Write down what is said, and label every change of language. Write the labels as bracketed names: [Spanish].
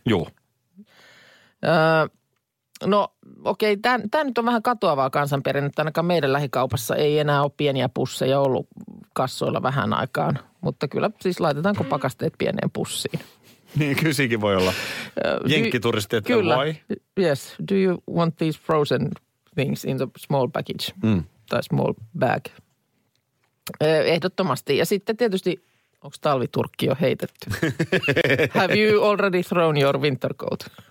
[Finnish] Joo. No okei, tämä nyt on vähän katoavaa kansanperinnettä. Ainakaan meidän lähikaupassa ei enää ole pieniä pusseja ollut kassoilla vähän aikaan. Mutta kyllä siis laitetaanko pakasteet pieneen pussiin? Niin, kysikin voi olla. Jenkkituristi, että kyllä. [English] Why? Yes, do you want these frozen things in the small package? [Finnish] Mm. Tai [English] small bag. [Finnish] Ehdottomasti. Ja sitten tietysti, onko talviturkki jo heitetty? [English] Have you already thrown your winter coat?